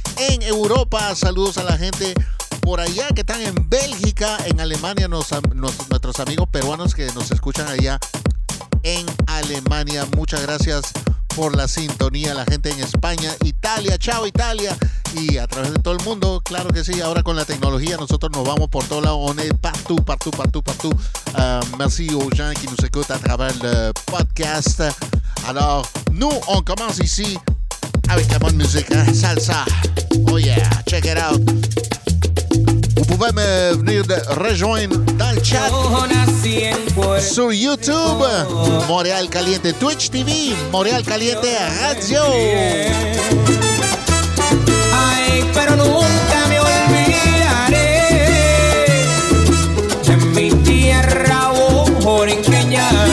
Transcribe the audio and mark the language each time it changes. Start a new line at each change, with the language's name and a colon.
Spanish: En Europa, saludos a la gente por allá que están en Bélgica, en Alemania, nuestros amigos peruanos que nos escuchan allá en Alemania. Muchas gracias por la sintonía, la gente en España, Italia, chao Italia, y a través de todo el mundo, claro que sí. Ahora con la tecnología nosotros nos vamos por todo lado,
French: on est partout, partout, partout, partout. Merci aux gens qui nous écoutent à travers le podcast. Alors, nous, on commence ici avec la bonne musique, hein? Salsa.
English: Oh yeah, check it out.
French: Vous pouvez me venir de rejoindre dans le chat sur YouTube, Montréal Caliente, Twitch TV, Montréal Caliente Radio.
Spanish: Ay, pero nunca me olvidaré de mi tierra borinqueña.